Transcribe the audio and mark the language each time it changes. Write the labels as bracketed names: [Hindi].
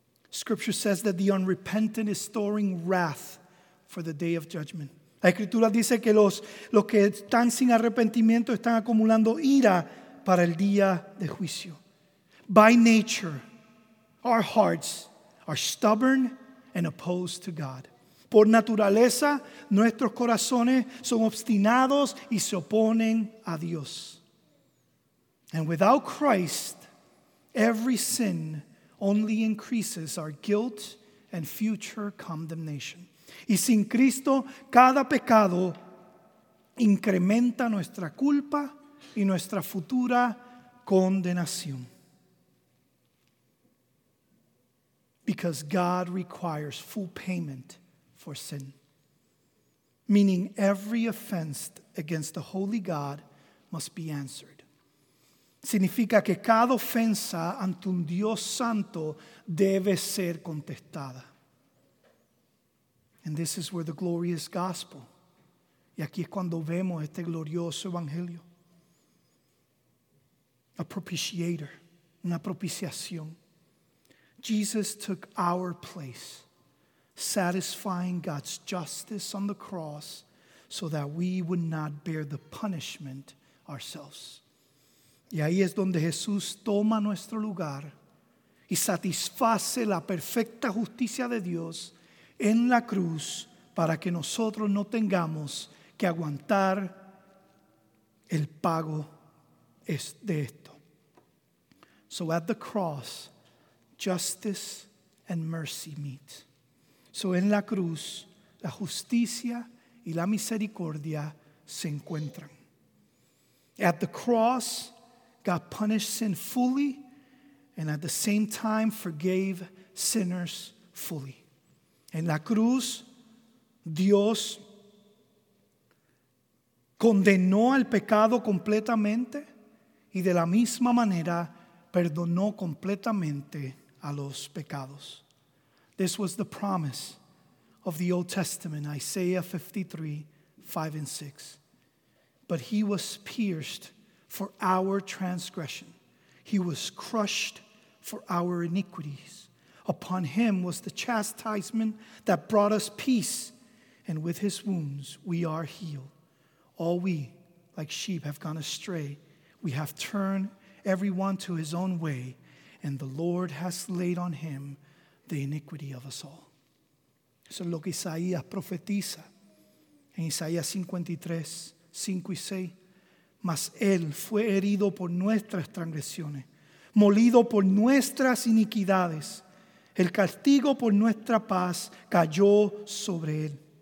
[English] Scripture says that the unrepentant is storing wrath for the day of judgment. [Spanish] La escritura dice que los que están sin arrepentimiento están acumulando ira para el día de juicio. [English] By nature, our hearts are stubborn and opposed to God. [Spanish] Por naturaleza, nuestros corazones son obstinados y se oponen a Dios. [English] And without Christ, every sin only increases our guilt and future condemnation. [Spanish] Y sin Cristo, cada pecado incrementa nuestra culpa y nuestra futura condenación. [English] Because God requires full payment for sin. Meaning every offense against the holy God must be answered. [Spanish] Significa que cada ofensa ante un Dios santo debe ser contestada. [English] And this is where the glorious gospel. [Spanish] Y aquí es cuando vemos este glorioso evangelio. [English] A propitiator, [Spanish] una propiciación. [English] Jesus took our place, satisfying God's justice on the cross so that we would not bear the punishment ourselves. [Spanish] Y ahí es donde Jesús toma nuestro lugar y satisface la perfecta justicia de Dios en la cruz para que nosotros no tengamos que aguantar el pago de esto. [English] So at the cross, justice and mercy meet. [Spanish] So en la cruz, la justicia y la misericordia se encuentran. [English] At the cross, God punished sin fully and at the same time forgave sinners fully. [Spanish] En la cruz, Dios condenó al pecado completamente y de la misma manera perdonó completamente a los pecados. [English] This was the promise of the Old Testament, Isaiah 53:5-6. but he was pierced for our transgression. He was crushed for our iniquities. Upon him was the chastisement that brought us peace, and with his wounds we are healed. All we, like sheep, have gone astray. We have turned everyone to his own way, and the Lord has laid on him the iniquity of us all. [Spanish] Eso es lo que Isaías profetiza en Isaías 53, 5 y 6. Mas él fue herido por nuestras transgresiones, molido por nuestras iniquidades. El castigo por nuestra paz cayó sobre él.